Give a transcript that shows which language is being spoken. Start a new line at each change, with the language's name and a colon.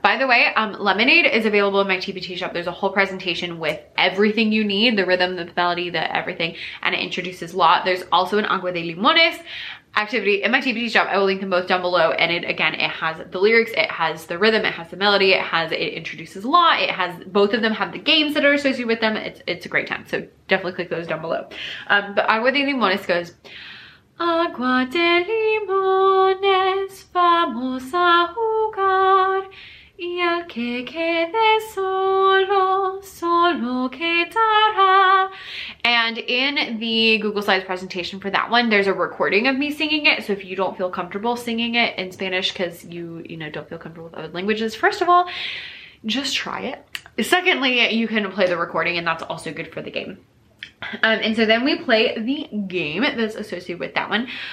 English: By the way, Lemonade is available in my TBT shop. There's a whole presentation with everything you need, the rhythm, the melody, the everything, and it introduces law. There's also an Agua de Limones activity in my TBT shop. I will link them both down below, and it, again, it has the lyrics, it has the rhythm, it has the melody, it has, it introduces law, it has, both of them have the games that are associated with them. It's a great time, so definitely click those down below. But Agua de Limones goes,
Spanish: Agua de limones, vamos a jugar, y el que quede solo, solo quedará.
English: And in the Google Slides presentation for that one, there's a recording of me singing it. So if you don't feel comfortable singing it in Spanish because you know, don't feel comfortable with other languages, first of all, just try it. Secondly, you can play the recording, and that's also good for the game. And so then we play the game that's associated with that one.